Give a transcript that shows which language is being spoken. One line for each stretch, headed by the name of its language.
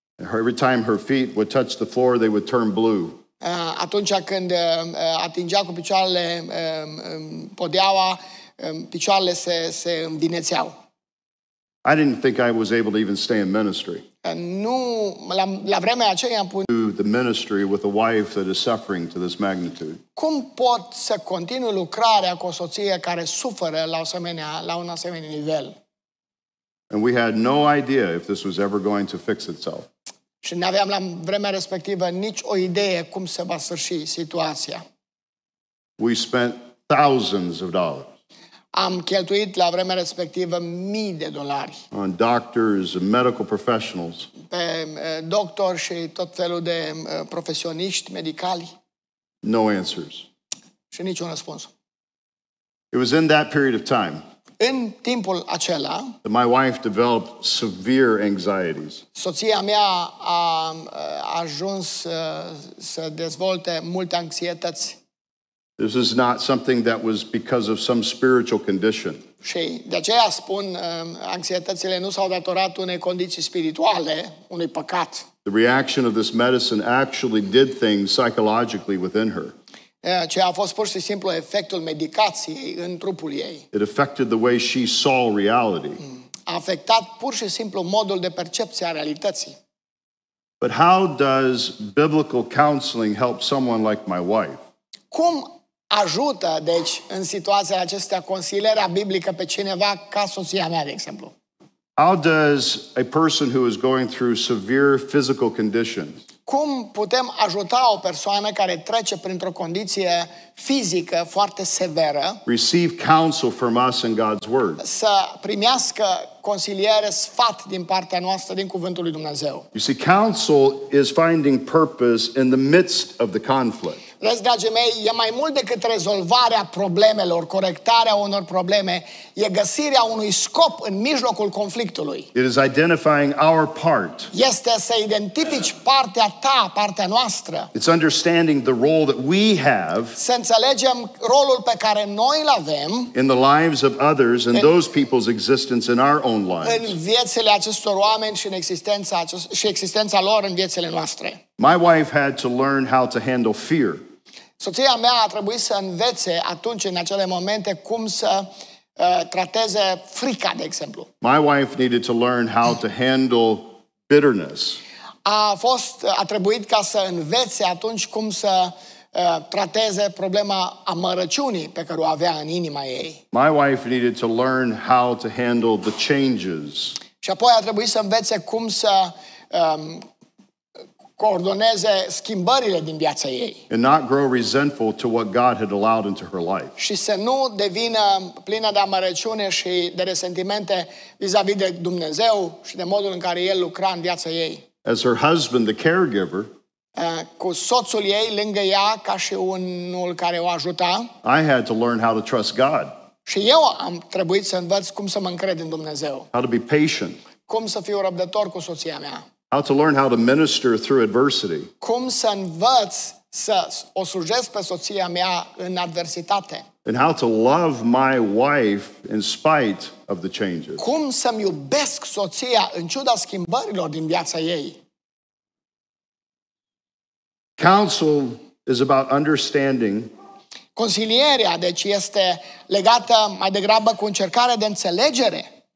English: Every time her feet would touch the floor, they would turn blue.
Romanian: Atunci când atingea cu picioarele podeaua, picioarele se învinețeau.
English: I didn't think I was able to even stay in ministry.
Romanian: Nu, la vremea aceea am pus
English: the ministry with a wife that is suffering to this magnitude.
Romanian: Cum pot să continui lucrarea cu o soție care suferă la un asemenea nivel?
English: And we had no idea if this was ever going to fix itself.
Romanian: Și nu aveam la vremea respectivă nici o idee cum se va sfârși situația.
English: We spent thousands of dollars.
Romanian: Am cheltuit la vremea respectivă mii de dolari.
English: On doctors and medical professionals.
Romanian: Pe doctor și tot felul de profesioniști medicali.
English: No answers.
Romanian: Și niciun răspuns.
English: It was in that period of time.
Romanian: În timpul acela,
English: my wife developed severe anxieties.
Romanian: Soția mea a ajuns să dezvolte multe anxietăți.
English: This is not something that was because of some spiritual condition.
Romanian: Și de aceea spun, anxietățile nu s-au datorat unei condiții spirituale, unui păcat.
English: The reaction of this medicine actually did things psychologically within her.
Romanian: Ce a fost pur și simplu efectul medicației în trupul ei.
English: It affected the way she saw reality.
Romanian: A afectat pur și simplu modul de percepție a realității.
English: But how does biblical counseling help someone like my wife?
Romanian: Cum ajută, deci, în situația acestea, consilierea biblică pe cineva ca soția mea, de exemplu?
English: How does a person who is going through severe physical conditions?
Romanian: Cum putem ajuta o persoană care trece printr-o condiție fizică foarte severă?
English: Receive counsel from us in God's word.
Romanian: Să primească consiliere, sfat din partea noastră, din cuvântul lui Dumnezeu.
English: You see, counsel is finding purpose in the midst of the conflict.
Romanian: Vezi, dragii mei, e mai mult decât rezolvarea problemelor, corectarea unor probleme, e găsirea unui scop în mijlocul conflictului.
English: It is identifying our part.
Romanian: Este să identifici partea ta, partea noastră.
English: It's understanding the role that we have.
Romanian: Să înțelegem rolul pe care noi îl avem.
English: In the lives of others and those people's existence in our own lives.
Romanian: În viețile acestor oameni și în existența și existența lor în viețile noastre.
English: My wife had to learn how to handle fear.
Romanian: Soția mea a trebuit să învețe atunci în acele momente cum să trateze frica, de exemplu.
English: My wife needed to learn how to handle bitterness.
Romanian: A trebuit ca să învețe atunci cum să trateze problema amărăciunii pe care o avea în inima ei.
English: My wife needed to learn how to handle the changes.
Romanian: Și apoi a trebuit să învețe cum să coordoneze schimbările din viața ei.
English: And not grow resentful to what God had allowed into her life.
Romanian: Și să nu devină plină de amărăciune și de resentimente vis-a-vis de Dumnezeu și de modul în care El lucra în viața ei.
English: As her husband, the caregiver,
Romanian: cu soțul ei lângă ea ca și unul care o ajuta,
English: I had to learn how to trust God.
Romanian: Și eu am trebuit să învăț cum să mă încred în Dumnezeu.
English: How to be patient.
Romanian: Cum să fiu răbdător cu soția mea.
English: How to learn how to minister through adversity.
Romanian: Cum să învăț să o slujesc pe soția mea în adversitate.
English: And how to love my wife in spite of the changes.
Romanian: Cum să-mi iubesc soția în ciuda schimbărilor din viața ei.
English: Counsel is about understanding.
Romanian: Consilierea, deci, este legată mai degrabă cu încercarea de înțelegere.